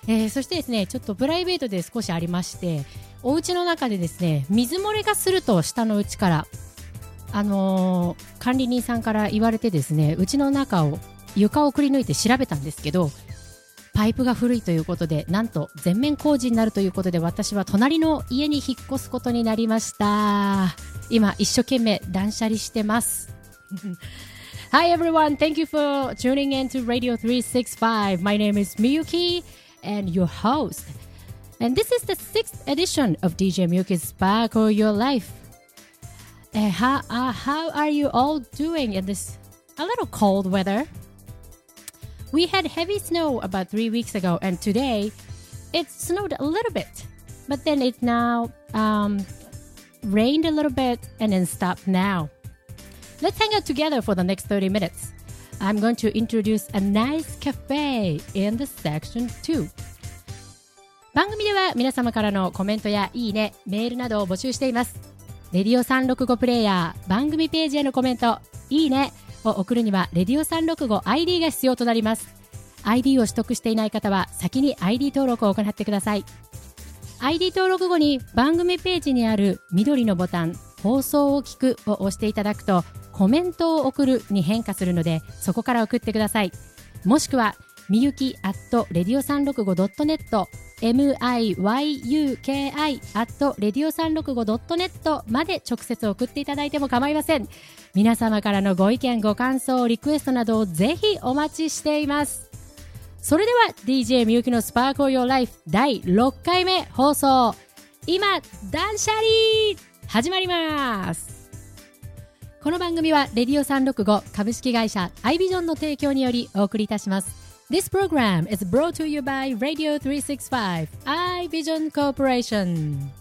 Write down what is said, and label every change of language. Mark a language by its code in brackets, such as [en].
[ja] そしてですね、ちょっとプライベートで少しありまして、お家の中でですね、水漏れがすると下のうちから管理人さんから言われてですね、うちの中を床をくり抜いて調べたんですけど、パイプが古いということで、なんと全面工事になるということで、私は隣の家に引っ越すことになりました。今一生懸命断捨離してます。 [en] Hi everyone, thank you for tuning in to Radio 365. My name is Miyuki and your host, and this is the 6th edition of DJ Miyuki's Spark of Your Life. How are you all doing in this a little cold weatherWe had heavy snow about 3 weeks ago, and today it snowed a little bit, but then it now rained a little bit and then stopped now. Let's hang out together for the next 30 minutes. I'm going to introduce a nice cafe in the section 2. [ja] 番組では皆様からのコメントやいいね、メールなどを募集しています。レディオ365プレイヤー番組ページへのコメント、いいねを送るにはレディオ365 ID が必要となります。 ID を取得していない方は先に ID 登録を行ってください。 ID 登録後に番組ページにある緑のボタン、放送を聞くを押していただくと、コメントを送るに変化するので、そこから送ってください。もしくはみゆき @radio365.net miyuki@radio365.net まで直接送っていただいても構いません。皆様からのご意見、ご感想、リクエストなどをぜひお待ちしています。それでは DJ みゆきのスパークルヨーライフ第6回目放送、今断捨離始まります。この番組はレディオ365株式会社アイビジョンの提供によりお送りいたします。 [en] This program is brought to you by Radio 365 iVision Corporation.